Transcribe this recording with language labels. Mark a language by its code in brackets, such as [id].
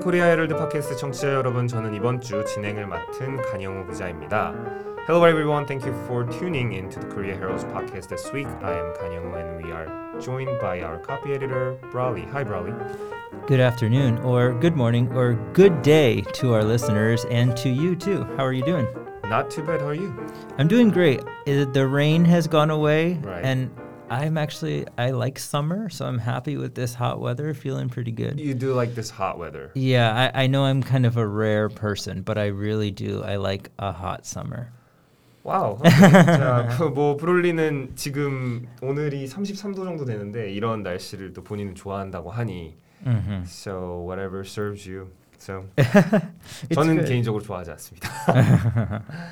[ko] 코리아 헤럴드 팟캐스트 청취자 여러분, 저는 이번 주 진행을 맡은 강영우 기자입니다. [en] Hello everyone, thank you for tuning in to the Korea Herald's podcast this week. I am 강영우 and we are joined by our copy editor, Brawley. Hi, Brawley. Good afternoon, or good morning, or good day to our listeners and to you too. How are you doing? Not too bad. How are you? I'm doing great. The rain has gone away, right. And I like summer, so I'm happy with this hot weather, feeling pretty good. You do like this hot weather. Yeah, I know I'm kind of a rare person, but I really do. I like a hot summer. 와우. Wow, okay. [ko] 뭐 브롤리는 지금 오늘이 33도 정도 되는데 이런 날씨를 또 본인은 좋아한다고 하니. Mm-hmm. [en] So whatever serves you. So [ko] 저는 [en] good. [ko] 개인적으로 좋아하지 않습니다.